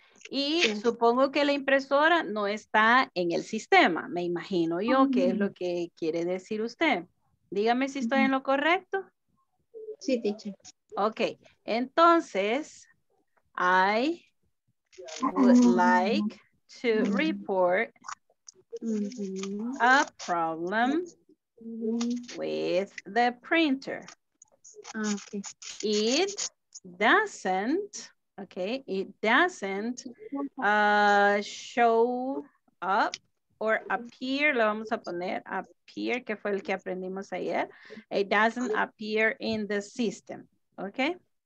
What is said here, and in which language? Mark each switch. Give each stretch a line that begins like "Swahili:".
Spanish: Y supongo que la impresora no está en el sistema. Me imagino yo qué es lo que quiere decir usted. Dígame si estoy en lo correcto. Sí, teacher. Ok, entonces,
English: I would like to report a problem with the printer. Okay. It doesn't... Okay, it doesn't show up or appear,
Spanish: lo vamos a poner,
English: appear,
Spanish: que fue el que aprendimos ayer.
English: It doesn't appear in the system, okay?